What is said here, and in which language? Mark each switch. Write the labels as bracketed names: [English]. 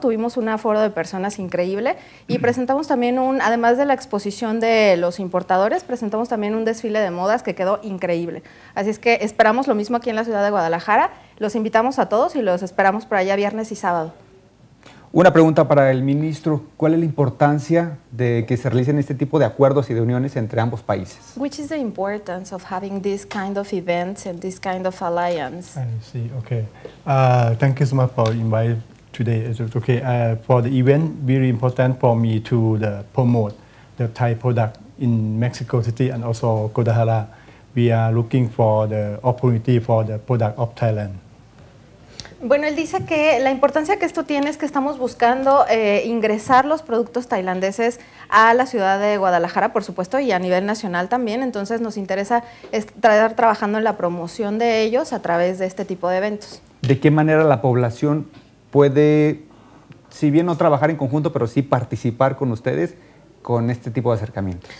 [Spanish] Tuvimos un aforo de personas increíble y presentamos también además de la exposición de los importadores, presentamos también un desfile de modas que quedó increíble. Así es que esperamos lo mismo aquí en la Ciudad de Guadalajara. Los invitamos a todos y los esperamos por allá viernes y sábado. Una pregunta para el ministro, ¿cuál es la importancia de que se realicen este tipo de acuerdos y de uniones entre ambos países? [English] Which is the importance of having this kind of events and this kind of alliance? I see, okay. Thank you so much for inviting today. Okay, for the event, very important for me to promote the Thai product in Mexico City and also Guadalajara. We are looking for the opportunity for the product of Thailand. [Spanish] Bueno, él dice que la importancia que esto tiene es que estamos buscando ingresar los productos tailandeses a la ciudad de Guadalajara, por supuesto, y a nivel nacional también. Entonces, nos interesa estar trabajando en la promoción de ellos a través de este tipo de eventos. ¿De qué manera la población puede, si bien no trabajar en conjunto, pero sí participar con ustedes con este tipo de acercamientos?